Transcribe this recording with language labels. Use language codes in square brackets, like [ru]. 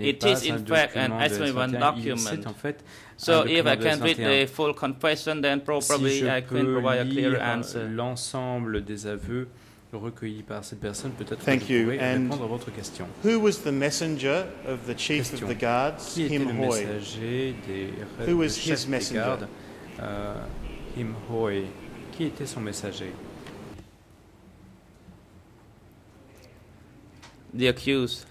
[en] It is, in fact, an S21 document. So if I can read the full confession, then probably I can provide a clear answer. [fr] L'ensemble des aveux recueillis par cette personne, peut-être que vous pouvez répondre à votre question. [en] Who was the messenger of the chief of the guards, Him Hoi? Who was his messenger? [fr] Him Hoi, qui était son messager? [en] The accused.